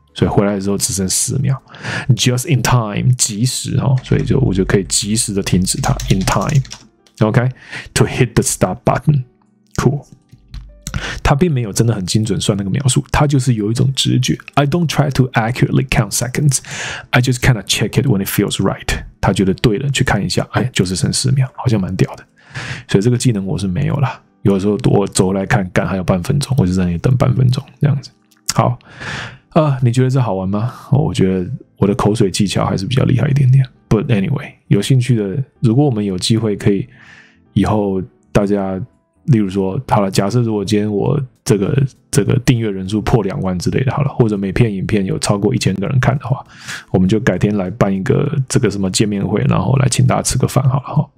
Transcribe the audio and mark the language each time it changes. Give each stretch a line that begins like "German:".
Chinese: 所以回来的时候只剩4秒。
English: Just in time,
Chinese: 及时哦。所以就我就可以及时的停止它 ,
English: in time. Okay? To hit the stop button. Cool.
Chinese: 他并没有真的很精准算那个秒数，他就是有一种直觉。
English: I don't try to accurately count seconds. I just kind of check it when it feels right.
Chinese: 他觉得对了，去看一下，哎，就是剩4秒，好像蛮屌的。所以这个技能我是没有啦。有的时候我走来看，干还有半分钟，我就在那里等半分钟这样子。好，你觉得这好玩吗？我觉得我的口水技巧还是比较厉害一点点。
English: But anyway，
Chinese: 有兴趣的，如果我们有机会可以以后大家，例如说，好了，假设如果今天我这个订阅人数破20000之类的，好了，或者每片影片有超过1000个人看的话，我们就改天来办一个这个什么见面会，然后来请大家吃个饭，好了哈。